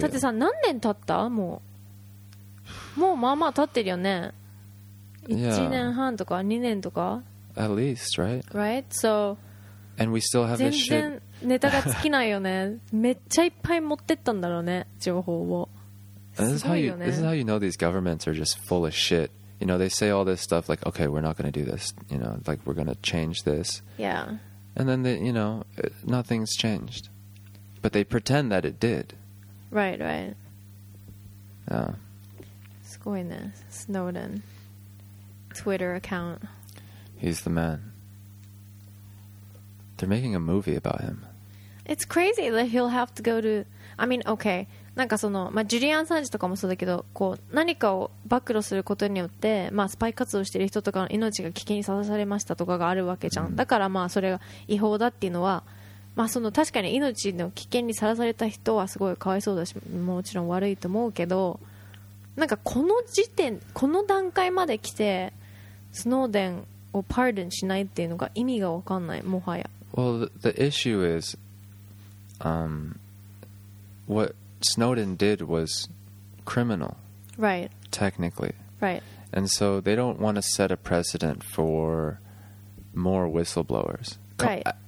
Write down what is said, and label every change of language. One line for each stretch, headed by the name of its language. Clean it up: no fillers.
Japanese: だってさ、何年経った？もう。もうまあまあ経ってるよね。 1年半とか2年とか。
English: At least, right? Right? So. And we still have this shit.
Japanese: 全然ネタが尽きないよね。めっちゃいっぱい持ってったんだろうね、情報を。
English: This is how you know these governments are just full of shit. You know, they say all this stuff like, okay, we're not going to do this. You know, like, we're going to change this. Yeah. And then, they, you know, nothing's changed. But they pretend that it did. Right, right. Yeah.
Japanese: すごいね。Snowden. Twitter account.
English: He's the man. They're making a movie about him. It's crazy that he'll have to go to... I mean, okay...
Japanese: なんかその、まあ、ジュリアン・サンジとかもそうだけど、こう何かを暴露することによって、まあ、スパイ活動している人とかの命が危険にさらされましたとかがあるわけじゃん。だからまあそれが違法だっていうのは、まあ、その確かに命の危険にさらされた人はすごいかわいそうだし、もちろん悪いと思うけど、なんかこの時点、この段階まで来てスノーデンをパーデンしないっていうのが意味が分かんない、もはや。
English: Well, the issue is、whatSnowden did was criminal, right? Technically, right. And so they don't want to set a precedent for more whistleblowers, right?